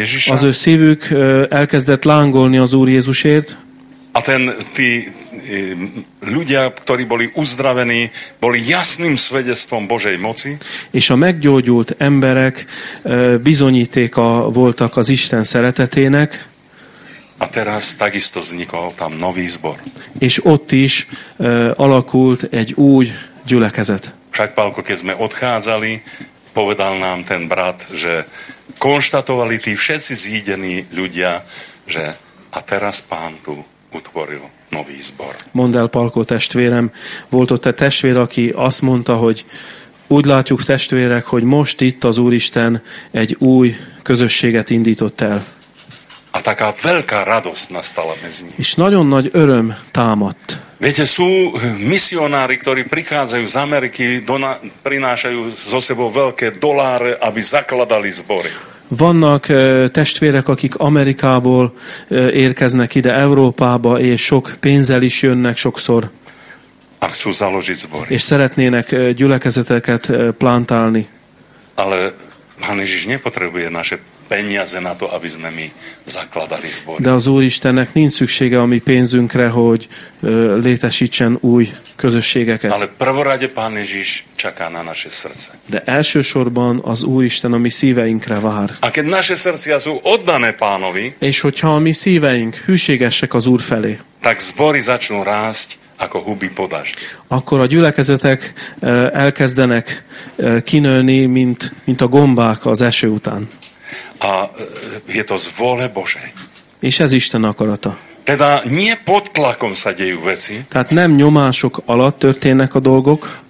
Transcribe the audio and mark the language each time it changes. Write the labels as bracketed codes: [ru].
[hu] Az ő szívük elkezdett lángolni az Úr Jézusért. [sk] A ten tí ľudia, ktorí boli uzdravení, boli jasným svedectvom Božej moci. [hu] És a meggyógyult emberek bizonyítéka voltak az Isten szeretetének. [sk] A teraz takisto vznikol tam nový zbor. [hu] És ott is alakult egy új gyülekezet. [sk] Však, Pálko, keď sme odchádzali, povedal nám ten brat, že konštatovali tí všetci zídení ľudia, že a teraz Pán tu utvoril nový zbor. [hu] Mondel Pálko testvérem, volt ott egy testvér, aki azt mondta, hogy úgy látjuk testvérek, hogy most itt az Úristen egy új közösséget indított el. [sk] A taká veľká radosť nastala medzi nimi. [hu] És nagyon nagy öröm támadt. [sk] Viete, sú misionári, ktorí prichádzajú z Ameriky, prinášajú zo sebou veľké doláre, aby zakladali zbory. [hu] Vannak testvérek, akik Amerikából érkeznek ide Európába, és sok pénzzel is jönnek sokszor. [sk] A chcú založiť zbory. [hu] És szeretnének gyülekezeteket plantálni. [sk] Ale Pán Ježiš nepotrebuje naše peniaze na to, aby sme my zakladali zbor. [hu] De az Úristennek nincs szüksége a mi pénzünkre, hogy létesítsen új közösségeket. [sk] Ale prvorade Pán Ježiš čaká na naše srdce. [hu] De elsősorban az Úristen a mi szíveinkre vár. [sk] A keď naše srdcia sú oddané Pánovi, [hu] és hogyha a mi szíveink hűségesek az Úr felé, [sk] tak zbory začnú rásť ako huby po dažde. [hu] Akkor a gyülekezetek elkezdenek kinőni, mint a gombák az eső után. [sk] A je to z vôle Božej. [hu] És ez Isten akarata. [sk] Teda nie pod tlakom sa dejú veci. [hu] Tehát nem nyomások alatt történnek a dolgok.